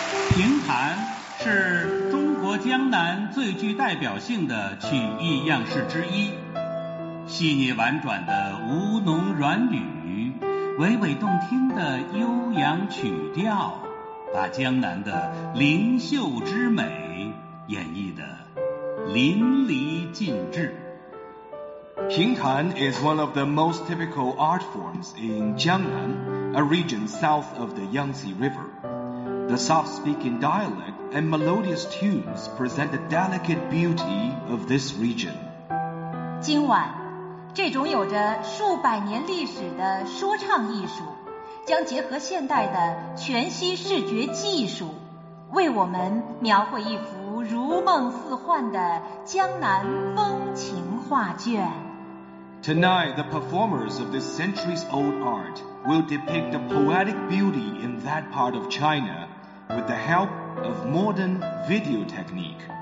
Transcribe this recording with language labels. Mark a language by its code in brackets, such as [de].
[zh] 评弹是江南最具代表性的曲艺样式之一，细腻婉转的吴侬软语，娓娓动听的悠扬曲调，把江南的灵秀之美演绎得淋漓尽致。 [en] 评弹 is one of the most typical art forms in Jiangnan, a region south of the Yangtze River. The soft-speaking dialect and melodious tunes present the delicate beauty of this region. [zh] 今晚，这种有着数百年历史的说唱艺术，将结合现代的全息视觉技术，为我们描绘一幅如梦似幻的江南风情画卷。 [en] Tonight, the performers of this centuries-old art will depict the poetic beauty in that part of China with the help of modern video technique.